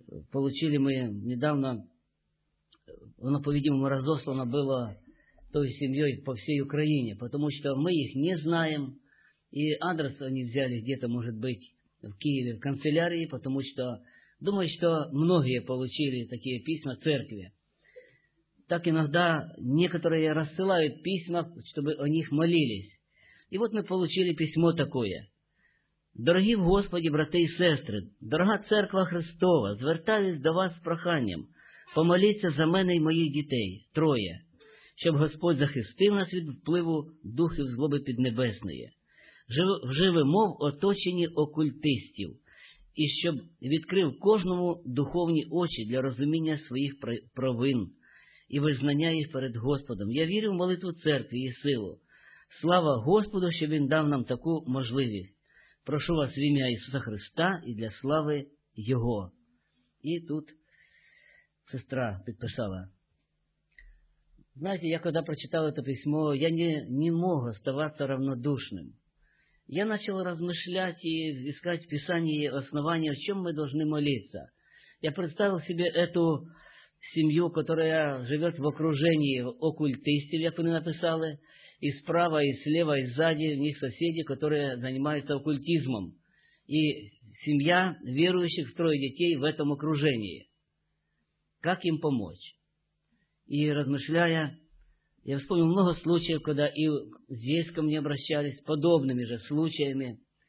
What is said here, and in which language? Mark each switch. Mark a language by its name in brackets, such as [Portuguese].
[Russian] получили мы недавно, оно, по-видимому, разослано было той семьей по всей Украине, потому что мы их не знаем, и адрес они взяли где-то, может быть, в Киеве, в канцелярии, потому что, думаю, что многие получили такие письма церкви. Так иногда некоторые рассылают письма, чтобы о них молились. И вот мы получили письмо такое. [Ukrainian] «Дорогие в Господі, брати і сестри, дорога Церква Христова, звертаюсь до вас з проханням помолитися за мене і моїх дітей, троє, щоб Господь захистив нас від впливу духів злоби піднебесної, живемо в оточенні окультистів, і щоб відкрив кожному духовні очі для розуміння своїх провин і визнання їх перед Господом. Я вірю в молитву Церкви і силу. Слава Господу, що Він дав нам таку можливість. Прошу вас в ім'я Ісуса Христа і для слави Його». І тут сестра підписала. Знаєте, я коли прочитав це письмо, [Russian] я не мог оставатися равнодушним. [Ukrainian] Я почав розмишляти і іскати в Писанні основання, в чому ми повинні молитися. Я представив собі цю сім'ю, яка живе в окруженні окультистів, як вони написали. [Russian] И справа, и слева, и сзади у них соседи, которые занимаются оккультизмом. И семья верующих, трое детей в этом окружении. Как им помочь? И размышляя, я вспомнил много случаев, когда и здесь ко мне обращались, подобными же случаями.